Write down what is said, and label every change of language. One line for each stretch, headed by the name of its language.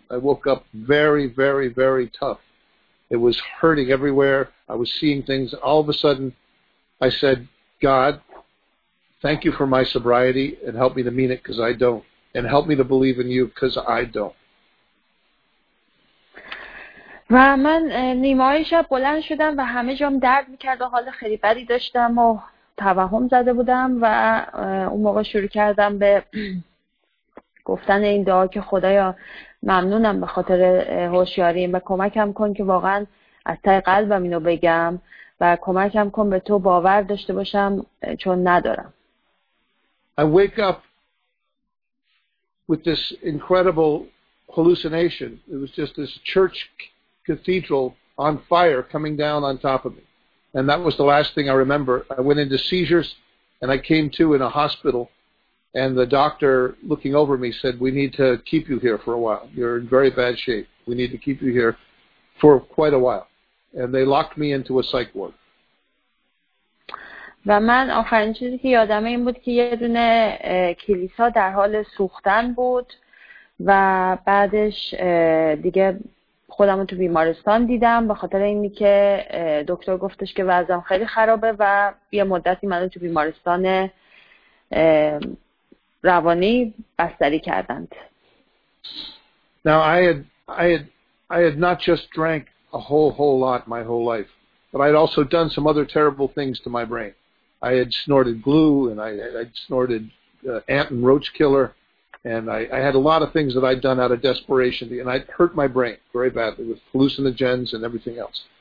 English: I woke up very very very tough. It was hurting everywhere. I was seeing things. All of a sudden, I said, God, thank you for my sobriety and help me to mean it because I don't. And help me to believe in you because I don't.
Persian: و من نیمه‌های شب بلند شدم و همه جام درد میکرد و حال خیلی بدی داشتم و توهم زده بودم و اون موقع شروع کردم به گفتن این دعا که خدایا ممنونم به خاطر هوشیاریم و کمکم کن که واقعا از ته قلبم اینو بگم و کمکم کن به تو باور داشته باشم چون ندارم.
English: I wake up with this incredible hallucination. It was just this church cathedral on fire coming down on top of me. And that was the last thing I remember. I went into seizures and I came to in a hospital. And the doctor looking over me said, we need to keep you here for a while. You're in very bad shape. We need to keep you here for quite a while. And they locked me into a psych ward.
Persian: و من آخرین چیزی که یادم این بود که یه دونه کلیسا در حال سوختن بود و بعدش دیگه خودم رو تو بیمارستان دیدم به خاطر اینی که دکتر گفتش که وضعم خیلی خرابه و یه مدتی منو تو بیمارستان روانی بستری کردند.
English: Now I had not just drank a whole lot my whole life, but I'd also done some other terrible things to my brain. I had snorted glue and I'd snorted ant and roach killer. And I had a lot of things that I'd done out of desperation, and I'd hurt my brain very badly with hallucinogens and everything else.